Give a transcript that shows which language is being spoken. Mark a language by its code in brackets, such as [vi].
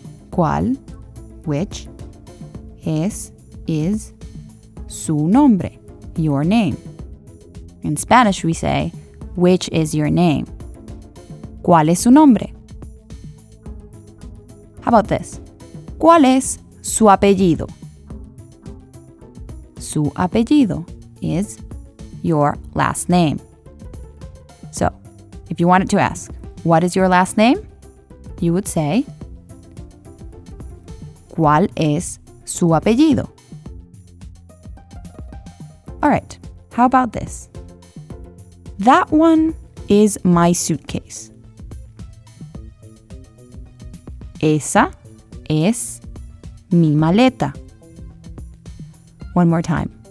[es] ¿Cuál, [en] which, is [es] su nombre, [en] your name? In Spanish, we say, which is your name? [es] ¿Cuál es su nombre? [en] How about this? [es] ¿Cuál es su apellido? Su apellido [en] is your last name. So, if you wanted to ask, what is your last name? You would say, [es] ¿cuál es su apellido? [en] All right, how about this? That one is my suitcase. [es] Esa es mi maleta. [en] One more time.